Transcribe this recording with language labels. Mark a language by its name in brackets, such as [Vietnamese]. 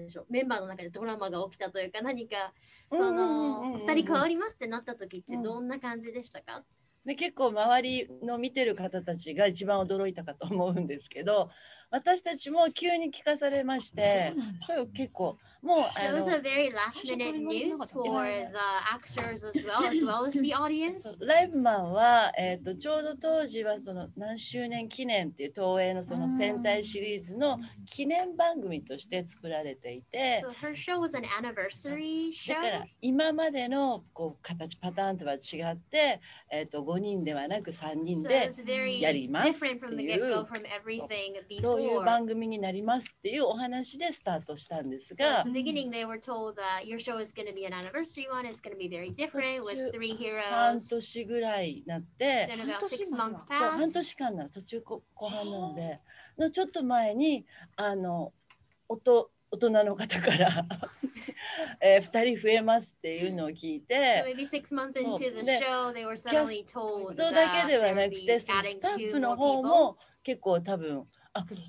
[Japanese] メンバーの中でドラマが起きたというか、何か2人変わりますってなった時ってどんな感じでしたか? で、結構周りの見てる方たちが一番驚いたかと思うんですけど、私たちも急に聞かされまして、そう、結構もう、 [English] It was a very last minute news for the actors as well as the audience. [Japanese] Liveman は、ちょうど当時はその何周年記念っていう東映のその戦隊シリーズの記念番組として作られていて、 [English] So her show was an anniversary show. [Japanese] だから今までのこう形パターンとは違って、5人ではなく3人でやりますっていう、そういう番組になりますっていうお話でスタートしたんですが。 [English] In the beginning, they were told that your show is going to be an anniversary one. It's going to be very different with three heroes. [Japanese] 半年ぐらいなって、半年間な、途中後半なので、のちょっと前にあの大人の方から二人増えますっていうのを聞いて、キャストだけではなくて、スタッフの方も結構多分あ。